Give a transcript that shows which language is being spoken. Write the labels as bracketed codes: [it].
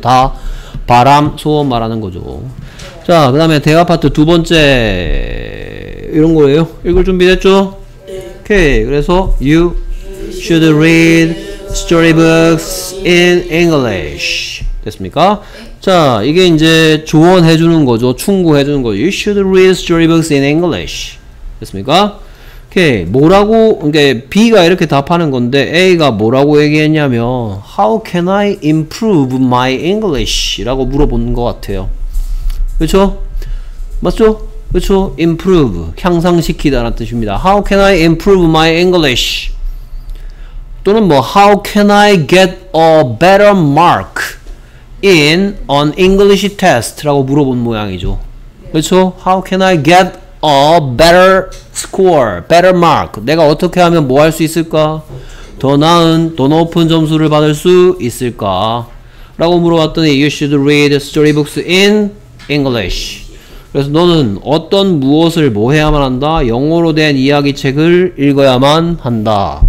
[ko] 다 바람, 소원 말하는 거죠. 자, 그 다음에 대화 파트 두 번째 이런 거예요. 읽을 준비 됐죠? 오케이. 그래서 [en] You should read storybooks in English. [ko] 됐습니까? 자, 이게 이제 조언해주는 거죠. 충고해주는 거죠. [en] You should read storybooks in English. [ko] 됐습니까? 오케이. 뭐라고, 그러니까 B가 이렇게 답하는 건데 A가 뭐라고 얘기했냐면 [en] How can I improve my English? [ko] 라고 물어보는 것 같아요. 그쵸? 맞죠? 그쵸? Improve. 향상시키다라는 뜻입니다. [en] How can I improve my English? [ko] 또는 뭐 [en] How can I get a better mark? In an English test [ko] 라고 물어본 모양이죠. 그렇죠? [en] How can I get a better score, better mark? [ko] 내가 어떻게 하면 뭐 할 수 있을까? 더 나은, 더 높은 점수를 받을 수 있을까? 라고 물어봤더니 [en] You should read storybooks in English. [ko] 그래서 너는 어떤 무엇을 뭐 해야만 한다? 영어로 된 이야기책을 읽어야만 한다.